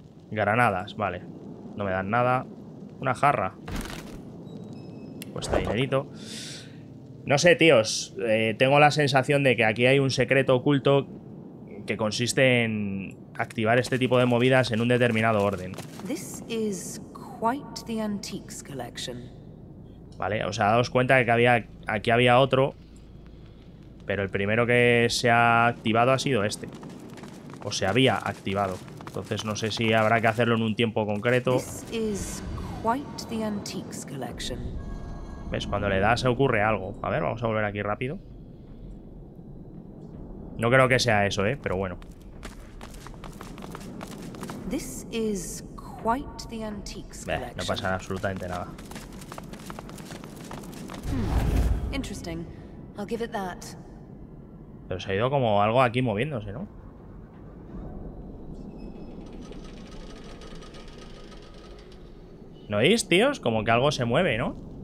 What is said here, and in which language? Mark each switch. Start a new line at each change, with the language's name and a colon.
Spanish: Granadas, vale. No me dan nada. Una jarra. Cuesta dinerito. No sé, tíos. Tengo la sensación de que aquí hay un secreto oculto que consiste en activar este tipo de movidas en un determinado orden.
English: This is quite the antiques collection.
Spanish: Vale, o sea, daos cuenta de que había, aquí había otro, pero el primero que se ha activado ha sido este. O se había activado. Entonces no sé si habrá que hacerlo en un tiempo concreto.
English: This is quite the antiques collection.
Spanish: ¿Ves? Cuando le das se ocurre algo. A ver, vamos a volver aquí rápido. No creo que sea eso, pero bueno.
English: This is quite the antiques collection.
Spanish: No pasa absolutamente nada.
English: Interesting. I'll give it that.
Spanish: Pero se ha ido como algo aquí moviéndose, ¿no? ¿No oís, tíos? Como que algo se mueve, ¿no?